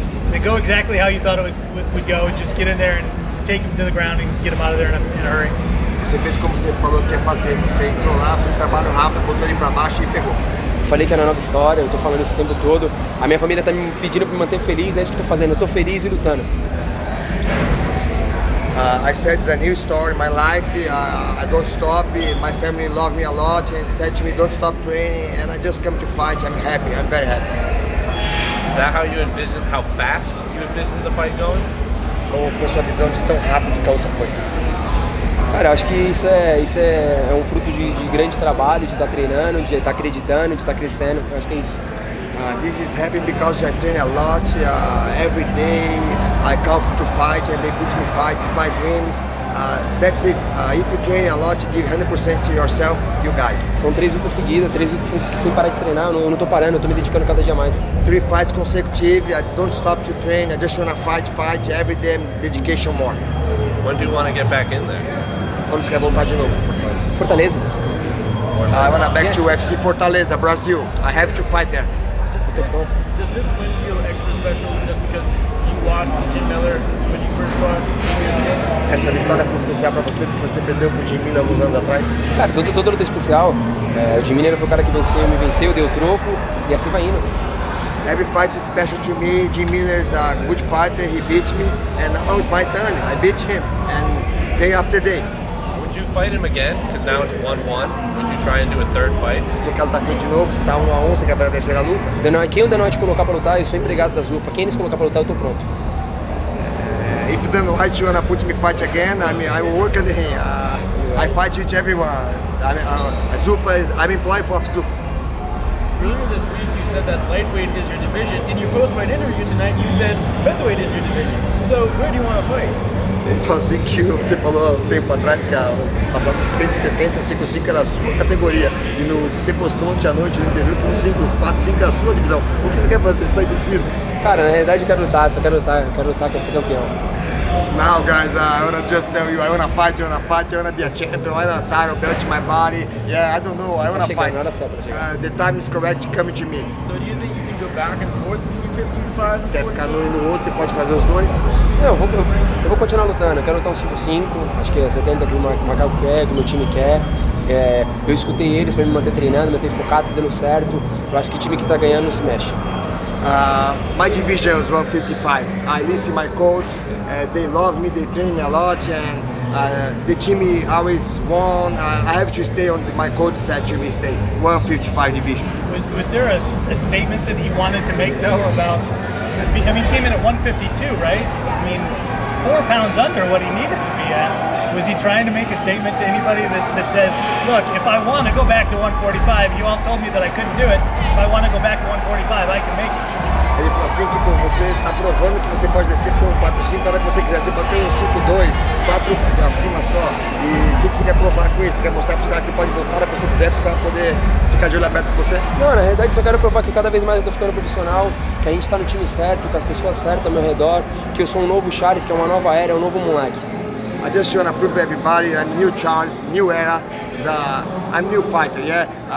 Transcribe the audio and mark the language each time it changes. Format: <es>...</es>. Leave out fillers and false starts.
<en>They go exactly how you thought it would go, and just get in there and take them to the ground and get them out of there in a hurry.</en> <pt>Você fez como você falou que ia fazer. Você entrou lá, fez trabalho rápido, botou ele pra baixo e pegou. Falei que era uma nova história, eu tô falando isso o tempo todo. A minha família tá me pedindo pra me manter feliz, é isso que eu tô fazendo. Eu tô feliz e lutando.</pt> <en>I said it's a new story in my life. I don't stop. My family loved me a lot and said to me, don't stop training. And I just come to fight. I'm happy. I'm very happy. Is that how you envision, how fast you envision the fight going?</en> <pt>Como foi sua visão de tão rápido que a luta foi? Cara, acho que isso é um fruto de grande trabalho, de estar treinando, de estar acreditando, de estar crescendo. Eu acho que é isso.</pt> <en>This is happening because I train a lot every day. I call to fight and they put me fight. It's my dreams. That's it. If you train a lot, give 100% to yourself, you got it.</en> <pt>São três lutas seguidas, três lutas sem parar de treinar. Eu não tô parando, eu tô me dedicando cada dia mais.</pt> <en>Three fights consecutive. I don't stop to train. I just wanna fight every day. Dedication more. When do you wanna get back in there?</en> <pt>Quando você quer voltar de novo? Fortaleza.</pt> <en>I wanna back to UFC Fortaleza, Brazil. I have to fight there. Does this win feel extra special just because you lost to Jim Miller when you first fought 2 years ago?</en> <pt>Essa vitória foi especial pra você porque você perdeu pro Jim Miller alguns anos atrás? Cara, todo luta é especial. O Jim Miller foi o cara que venceu, me venceu, deu troco e assim vai indo.</pt> <en>Every fight is special to me. Jim Miller is a good fighter, he beat me. And now it's my turn, I beat him. And day after day. Would you fight him again? Because now it's 1-1. Try and do a third fight.</en> <pt>Você quer lutar com ele de novo? Tá 1-1, você quer fazer a terceira luta? Quem o Dana White colocar pra lutar, eu sou empregado da Zuffa. Quem eles colocar pra lutar, eu tô pronto.</pt> <en>If Dana White wanna put me fight again, I work under him. I fight with everyone. Zuffa is, I'm employed for Zuffa. Earlier this week, you said that lightweight is your division. In your post-fight interview tonight, you said featherweight is your division. So, where do you wanna fight?</en> <pt>Ele falou assim que você falou um tempo atrás que a passada com 170, 55 era a sua categoria. E no, você postou ontem à noite no interview com 5-4, 5 era a sua divisão. O que você quer fazer? Você está indeciso? Cara, na realidade eu quero lutar, só quero lutar, quero ser campeão.</pt> <en>Now guys, I wanna just tell you, I wanna fight, I wanna be a champion, I wanna title belt in my body. Yeah, I don't know, I wanna fight.</en> <pt>Na hora certa,</pt> <en>the time is correct, come to me. So do you think you can go back and forth?</en> <pt>Você quer ficar no um e no outro, você pode fazer os dois? Eu vou continuar lutando, eu quero lutar uns 5-5, acho que é 70 que o Macaco quer, que o meu time quer. Eu escutei eles pra me manter treinando, manter focado, dando certo. Eu acho que o time que tá ganhando não se mexe.</pt> <en>My division is 155. I listen to my coach, they love me, they train me a lot, and the team always won. I have to stay on my coach set to stay 155 division. Was there a statement that he wanted to make though about, I mean, he came in at 152, right? I mean, 4 pounds under what he needed to be at. Was he trying to make a statement to anybody that says, look, if I want to go back to 145, you all told me that I couldn't do it. If I want to go back to 145, I can make it.</en> <pt>Ele falou assim que, pô, você tá provando que você pode descer com 4-5 na hora que você quiser. Você pode ter um 5-2, 4 acima só. E o que você quer provar com isso? Você quer mostrar pros caras que você pode voltar na hora que você quiser, pros caras poder ficar de olho aberto com você? Não, na realidade só quero provar que cada vez mais eu tô ficando profissional, que a gente tá no time certo, com as pessoas certas ao meu redor, que eu sou um novo Charles, que é uma nova era, um novo moleque.</pt> <en>I just want to prove to everybody I'm new Charles, new era, I'm new fighter, yeah?</en>